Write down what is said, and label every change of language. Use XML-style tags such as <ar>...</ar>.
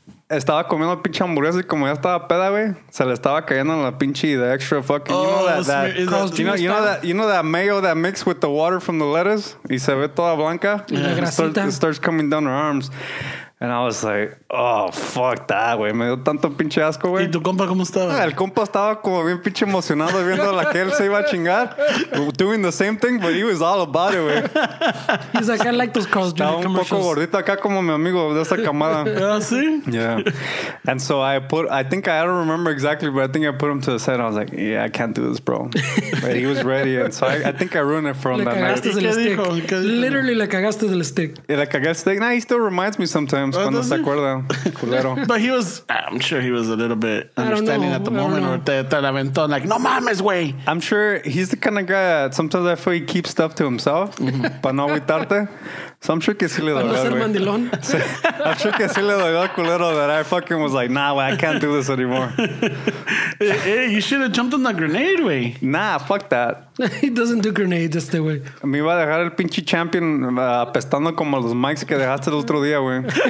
<es>Estaba comiendo pinche hamburguesa y como ya estaba peda, güey, se le estaba cayendo la pinche</es> <en>the extra fucking, you know that mayo that mixed with the water from the lettuce</en> <es>y se ve toda blanca.</es> <en>Yeah. It starts coming down her arms. And I was like, oh, fuck that, güey.</en> <es>Me dio tanto pinche asco, güey. ¿Y tu compa cómo estaba? El compa estaba como bien pinche emocionado viendo la que él se iba a chingar.</es> <en>Doing the same thing, but he was all about it, güey. He's like, I like those Carl's Jr. commercials.</en> <es>Estaba un poco gordito acá como mi amigo de esa camada. ¿Ah, sí?</es> <en>Yeah. And so I don't remember exactly, but I think I put him to the side. I was like, yeah, I can't do this, bro. But he was ready. And so I think I ruined it for him.</en> <es>Le cagaste</es> <en>that</en> <es>night. ¿Qué dijo? Literally, le cagaste del stick. Y le cagué el stick.</es> <en>Nah, he still reminds me sometimes. But he was, I'm sure he was a little bit understanding at the moment, or</en> <es>te la aventó,</es> <en>like,</en> <es>no mames,</es> <en>güey. I'm sure he's the kind of guy that sometimes I feel he keeps stuff to himself,</en> <es>para no agüitarte.</es> <en>So I'm sure</en> <es>que sí le dolió,</es> <en>güey. I'm sure que sí le dolió, culero, that I fucking was like, nah, güey, I can't do this anymore. You should have jumped on that grenade, güey. Nah, fuck that. He doesn't do grenades este, güey.</en> <es>Me iba a dejar el pinche champion apestando como los mics que dejaste el otro día, güey.</es>